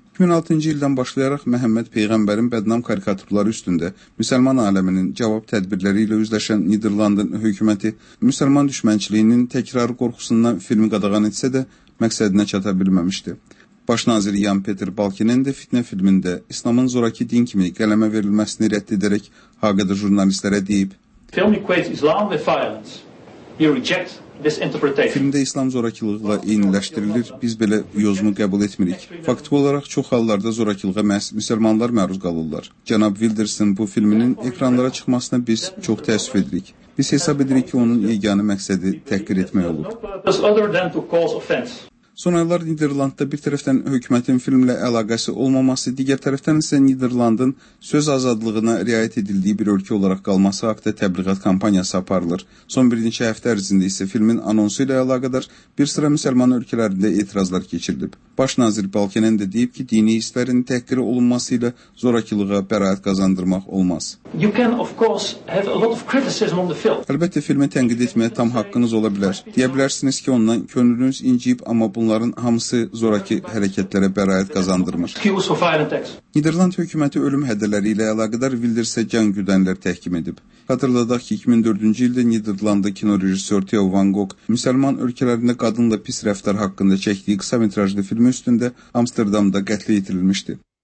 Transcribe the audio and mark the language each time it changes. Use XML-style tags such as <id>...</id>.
<az>2006-cı ildən başlayaraq Məhəmməd Peyğəmbərin bədnam karikaturları üstündə müsəlman aləminin cavab tədbirləri ilə üzləşən Niderlandın hökuməti müsəlman düşmənçiliyinin təkrarı qorxusundan filmi qadağan etsə də məqsədinə çata bilməmişdi. Başnazir Jan-Peter Balkenende de fitnə filmində İslamın zorakı din kimi qələmə verilməsini rədd edərək haqqıda jurnalistlərə deyib.</az> <en>Film equates Islam with violence. You reject this interpretation.</en> <az>Filmdə İslam zorakılığıyla eyniləşdirilir, biz belə yozumu qəbul etmirik. Faktiki olaraq çox hallarda zorakılığa məhz müsəlmanlar məruz qalırlar. Cənab Wildersin bu filminin ekranlara çıxmasına biz çox təəssüf edirik. Biz hesab edirik ki, onun yeganə məqsədi təhqir etmək olub. Son aylar Niderlandda bir tərəfdən hökumətin filmlə əlaqəsi olmaması, digər tərəfdən isə Niderlandın söz azadlığına riayət edildiyi bir ölkə olaraq qalması haqda təbliğat kampaniyası aparılır. Son bir neçə həftə ərzində isə filmin anonsu ilə əlaqədar bir sıra müsəlman ölkələrində etirazlar keçirilib. Başnazir Balkenen də deyib ki, dini hisslərin təhqir olunması ilə zorakılığa bəraət qazandırmaq olmaz.</az> <en>You can of course have a lot of criticism on the film.</en> <az>Əlbəttə filmi tənqid etməyə tam haqqınız ola bilər. Deyə bilərsiniz ki, ondan könlünüz inciyib, amma bunların hamısı zorakı hərəkətlərə bəraət qazandırmır. Niderland hökuməti ölüm hədələri ilə əlaqədar Wildersə can güdənlər təhkim edib. Xatırladaq ki, 2004-cü ildə Niderlandda kino rejissor Theo van Gogh müsəlman ölkələrində qadınla pis rəftar haqqında çəkdiyi qısa metrajlı filmi üstündə Amsterdamda qətlə yetirilmişdi.</az>